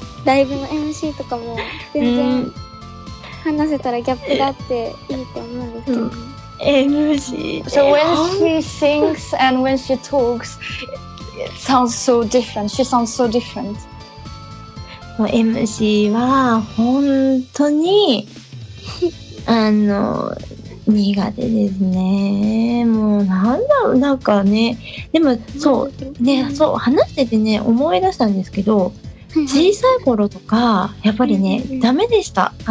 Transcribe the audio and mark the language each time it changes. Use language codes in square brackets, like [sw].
[ja] ライブの MC とかも全然話せたらギャップがあっていいと思うんですけど、 MC [en] So when she sings and when she talks it sounds so different. She sounds so different [ja] MC は本当に苦手ですね。もうなんだろう、なんかね、でもそうね、そう話しててね思い出したんですけど、小さい頃とかやっぱりねダメでした。